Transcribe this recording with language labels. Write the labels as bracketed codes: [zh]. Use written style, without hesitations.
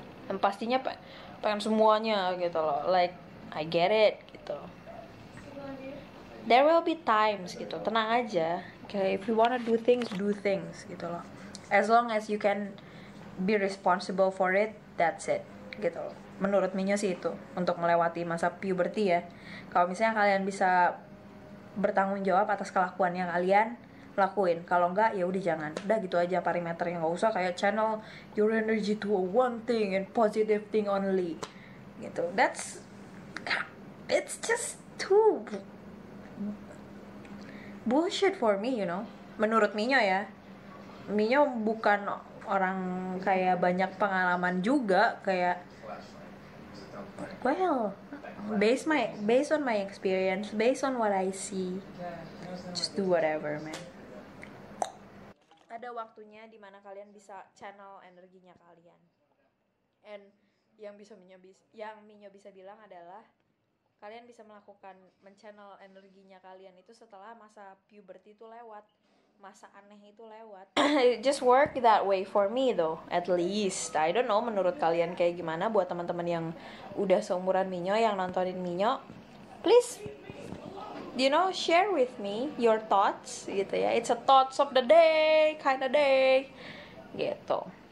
[id] Dan pastinya pengen semuanya gitu loh. [en] Like I get it [id] gitu. [en] There will be times gitu. [id] Tenang aja. [en] Okay, if you wanna do things gitu loh. As long as you can be responsible for it, that's it gitu loh. [id] Menurut Minyo sih itu untuk melewati masa puberty ya. Kalau misalnya kalian bisa bertanggung jawab atas kelakuannya kalian, lakuin. Kalau enggak ya udah jangan. Udah gitu aja parameternya, enggak usah kayak [en] channel your energy to a one thing and positive thing only. [id] Gitu. [en] That's it's just too bullshit for me, you know. [id] Menurut Minyo ya. Minyo bukan orang kayak banyak pengalaman juga kayak [en] well, based on my experience, based on what I see. Just do whatever, man. [id] Ada waktunya di mana kalian bisa channel energinya kalian. And yang Minyo bisa bilang adalah kalian bisa melakukan men-channel energinya kalian itu setelah masa puberty itu lewat, masa aneh itu lewat. [en] It just work that way for me though, at least. I don't know [id] menurut kalian kayak gimana. Buat teman-teman yang udah seumuran Minyo, yang nontonin Minyo, [en] please, you know, share with me your thoughts [id] gitu ya. [en] It's a thoughts of the day kind of day gitu.